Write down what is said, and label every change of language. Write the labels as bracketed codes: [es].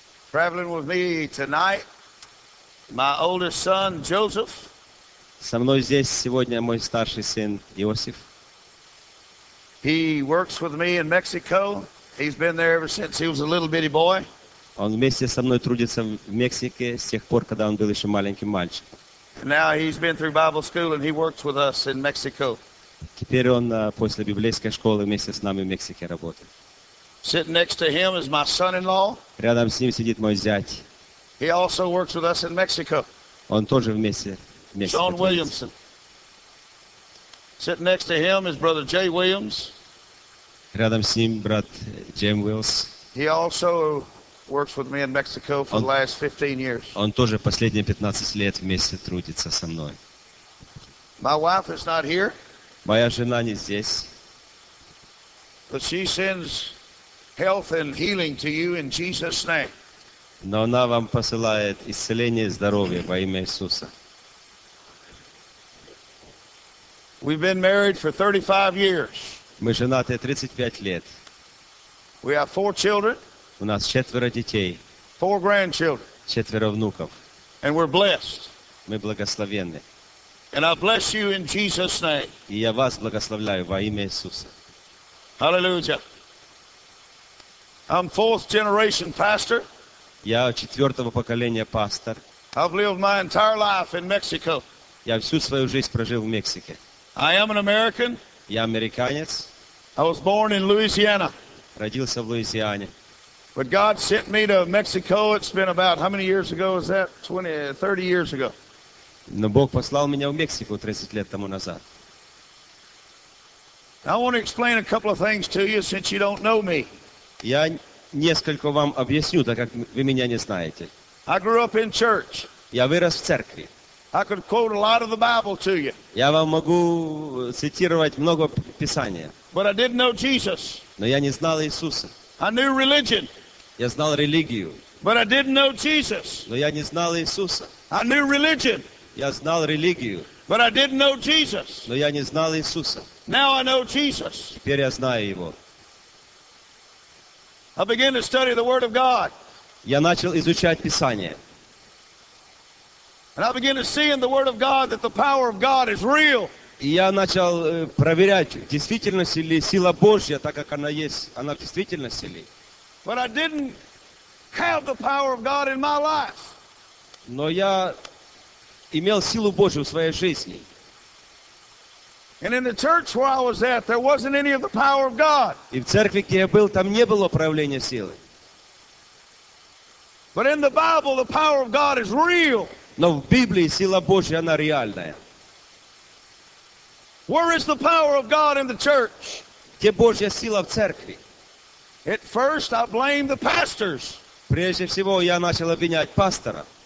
[en] Traveling with me tonight, my oldest son Joseph. [ru] Со мной здесь сегодня мой старший сын Иосиф. [en] He works with me in Mexico. He's been there ever since he was a little bitty boy. [ru] Он вместе со мной трудится в Мексике с тех пор, когда он был еще маленьким мальчиком. [en] Now he's been through Bible school and he works with us in Mexico. [ru] Теперь он после библейской школы вместе с нами в Мексике работает. [en] Sitting next to him is my son-in-law. [ru] Рядом с ним сидит мой зять. [en] He also works with us in Mexico. [ru] Он тоже вместе в Мексике. [en] Sean Williamson. Sitting next to him is brother Jay Williams. [ru] Рядом с ним брат Джейм Уиллс. [en] He also works with me in Mexico for the last 15 years. [ru] Он тоже последние 15 лет вместе трудится со мной. [en] My wife is not here. [ru] Моя жена не здесь. [en] But she sends health and healing to you in Jesus' name. [ru] Но она вам посылает исцеление и здоровье во имя Иисуса. [en] We've been married for 35 years. [ru] Мы женаты 35 лет. [en] We have four children. [ru] У нас четверо детей. [en] Four grandchildren. [ru] Четверо внуков. [en] And we're blessed. [ru] Мы благословенны. [en] And I bless you in Jesus' name. [ru] И я вас благословляю во имя Иисуса. [en] Hallelujah. I'm fourth generation pastor. [ru] Я четвертого поколения пастор. [en] I've lived my entire life in Mexico. [ru] Я всю свою жизнь прожил в Мексике. [en] I am an American. [ru] Я американец. [en] I was born in Louisiana. [ru] Родился в Луизиане. [en] But God sent me to Mexico. It's been about how many years ago is that? 30 years ago. [ru] Но Бог послал меня в Мексику 30 лет тому назад. [en] I want to explain a couple of things to you since you don't know me. [ru] Я несколько вам объясню, так как вы меня не знаете. [en] I grew up in church. [ru] Я вырос в церкви. [en] I could quote a lot of the Bible to you. [ru] Я вам могу цитировать много Писания. [en] But I didn't know Jesus. [ru] Но я не знал Иисуса. [en] I knew religion. [ru] Я знал религию. [en] But I didn't know Jesus. [ru] Но я не знал Иисуса. [en] I knew religion. [ru] Я знал религию. [en] But I didn't know Jesus. [ru] Но я не знал Иисуса. [en] Now I know Jesus. [ru] Теперь я знаю его. [en] I began to study the Word of God. [ru] Я начал изучать Писание. [en] And I began to see in the Word of God that the power of God is real. [ru] И я начал проверять, действительность ли сила Божья, так как она есть, она в действительности ли. [en] But I didn't have the power of God in my life. [ru] Но я имел силу Божью в своей жизни. [en] And in the church where I was at, there wasn't any of the power of God. [ru] И в церкви, где я был, там не было проявления силы. [en] But in the Bible, the power of God is real. [ru] Но в Библии сила Божья, она реальная. [en] Where is the power of God in the church? [ru] Где Божья сила в церкви? [en] At first, I blamed the pastors. [ru] Прежде всего, я начал обвинять пастора.